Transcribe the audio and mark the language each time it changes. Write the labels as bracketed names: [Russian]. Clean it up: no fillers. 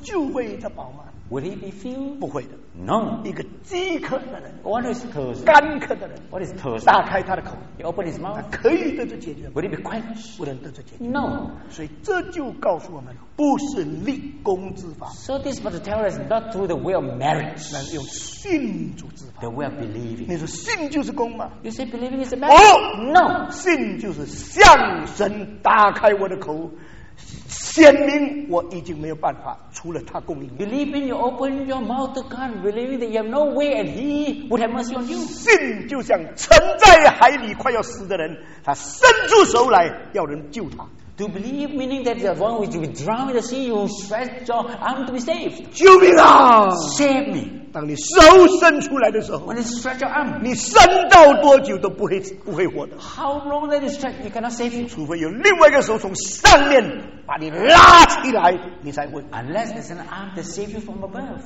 [Chinese] 就会得饱满。 [English] Will he be filled? [Chinese] 不会的。 [English] No. [Chinese] 一个饥渴的人， [English] One who is thirsty. [Chinese] 干渴的人， [English] What is thirsty? [Chinese] 打开他的口。 [English] He open his mouth. [Chinese] 他可以得着解决。 [English] Will he be quenched? [Chinese] 不能得着解决。 [English] No. [Chinese] 所以这就告诉我们，不是立功之法。 [English] So this must tell us not through the way of merits. [Chinese] 那是用信主之法。 [English] The way of believing. [Chinese] 你说信就是功吗？ [English] You say believing is a merit? Oh, no. [Chinese] 信就是向神打开我的口，显明我已经没有办法，除了他供应。 [English] Believing you open your mouth to God, believing that you have no way, and He would have mercy on you. [Chinese] 信就像沉在海里快要死的人，他伸出手来要人救他。 [English] To believe meaning that the one who is drowned in the sea, you stretch your arm to be saved. [Chinese] 救命啊！ [English] Save me. [Chinese] 当你手伸出来的时候， [English] When you stretch your arm, [Chinese] 你伸到多久都不会活的。 [English] How long that you stretch, you cannot save you. [Chinese] 除非有另外一个手从上面把你拉起来，你才会。 [English] Unless there's an arm to save you from above.